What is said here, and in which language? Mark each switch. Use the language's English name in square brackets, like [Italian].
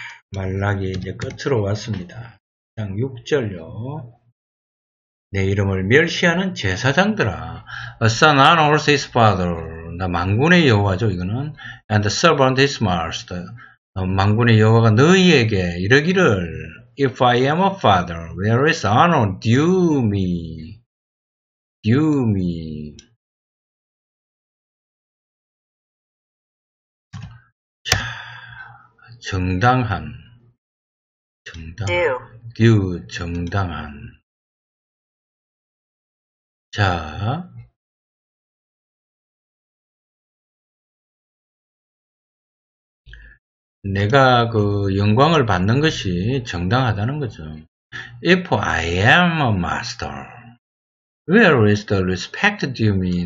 [Korean] 말라기 이제 끝으로 왔습니다. 1장 6절요. 내 이름을 멸시하는 제사장들아. [English] A son honors his father. [Korean] 나 만군의 여호와죠, 이거는. [English] And the servant is master. [Korean] 만군의 여호와가 너희에게 이르기를. [English] If I am a father, where is honor due me? Due me. [Korean] 자, 정당한. 정당한. [English] Due. [Korean] Due, 정당한. 자, 내가 그 영광을 받는 것이 정당하다는 거죠. [English] If I am a master, where is the respect due me?